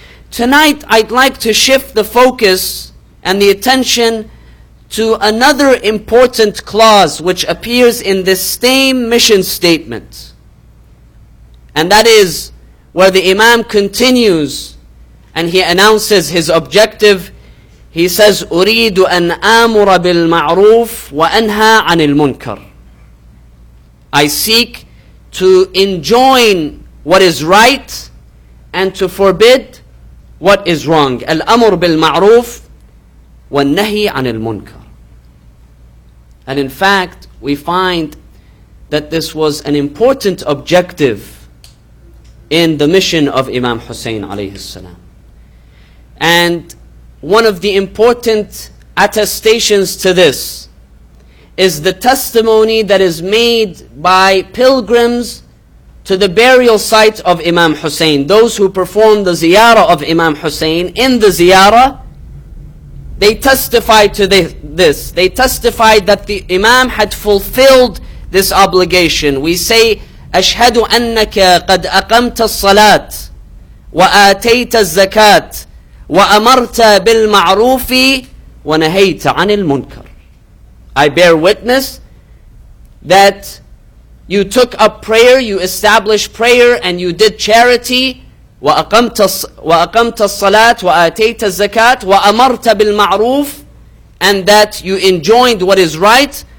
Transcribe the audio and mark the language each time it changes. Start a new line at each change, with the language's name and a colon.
English: Tonight I'd like to shift the focus and the attention to another important clause which appears in this same mission statement. And that is where the Imam continues and he announces his objective. He says,
Arabic: أريد أن آمر بالمعروف وأنهى عن المنكر.
English: I seek to enjoin what is right and to forbid what is wrong.
Arabic: الأمر بالمعروف والنهي عن المنكر.
English: And in fact, we find that this was an important objective in the mission of Imam Hussein alayhi salam. And one of the important attestations to this is the testimony that is made by pilgrims to the burial site of Imam Hussein. Those who perform the ziyarah of Imam Hussein, in the ziyarah, they testified to this. They testified that the Imam had fulfilled this obligation. We say,
Arabic: أشهد أنك قد أقمت الصلاة وآتيت الزكاة وأمرت بالمعروف ونهيت عن المنكر.
English: I bear witness that you took up prayer, you established prayer, and you did charity.
Arabic: وَأَقَمْتَ الصَّلَاةَ وَآتَيْتَ الزَّكَاةَ وَأَمَرْتَ بِالْمَعْرُوفِ,
English: and that you enjoined what is right.